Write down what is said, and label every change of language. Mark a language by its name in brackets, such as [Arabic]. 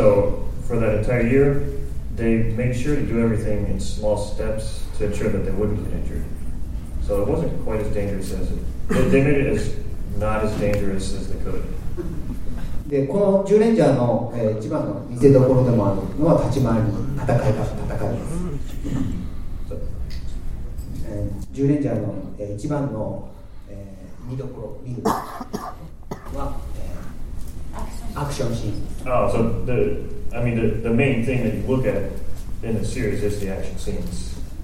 [English] So for that entire year, they make sure to do everything in small steps to ensure that they wouldn't get injured. So it wasn't quite as dangerous as it. But they made it as not as dangerous as they could. [Japanese] でこのジュレンジャーの、一番の見せ所でもあるのは立ち回りの戦いです。ジュレンジャーの、一番の、見どころ見るのは、アクションシーン。 [English] Oh, so the main thing that you look at in the series is the action scenes.